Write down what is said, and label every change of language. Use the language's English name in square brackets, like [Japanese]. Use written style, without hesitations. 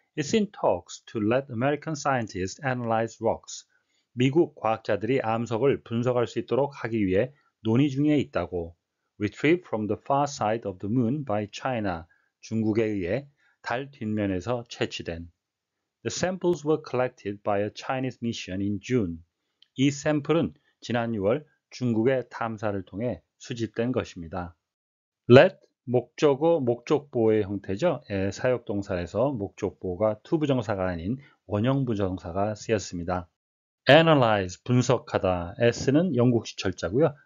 [English] It's in talks to let American scientists analyze rocks. [Korean] 미국 과학자들이 암석을 분석할 수 있도록 하기 위해 논의 중에 있다고. [English] Retrieved from the far side of the moon by China. [Korean] 중국에 의해 달 뒷면에서 채취된. [English] The samples were collected by a Chinese mission in June. [Korean] 이 샘플은 지난 6월 중국의 탐사를 통해 수집된 것입니다. Let 목적어, 목적보호의 형태죠. 예, 사역동사에서 목적보호가 투부정사가 아닌 원형부정사가 쓰였습니다. Analyze, 분석하다. S는 영국식 철자고요.